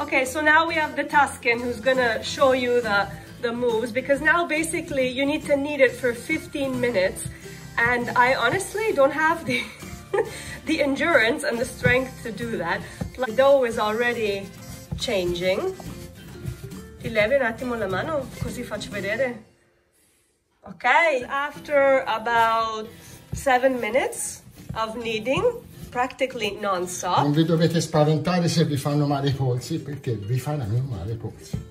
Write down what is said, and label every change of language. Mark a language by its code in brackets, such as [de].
[en] This is quite a messy little activity. Okay, so now we have the Tuscan who's gonna show you the moves, because now basically you need to knead it for 15 minutes and I honestly don't have the the endurance and the strength to do that. The dough is already changing. [it] Ti levi un attimo la mano così faccio vedere. [en] Okay, after about 7 minutes of kneading, practically non-stop. [it] Non vi dovete spaventare se vi fanno male I polsi, perché vi faranno male I polsi.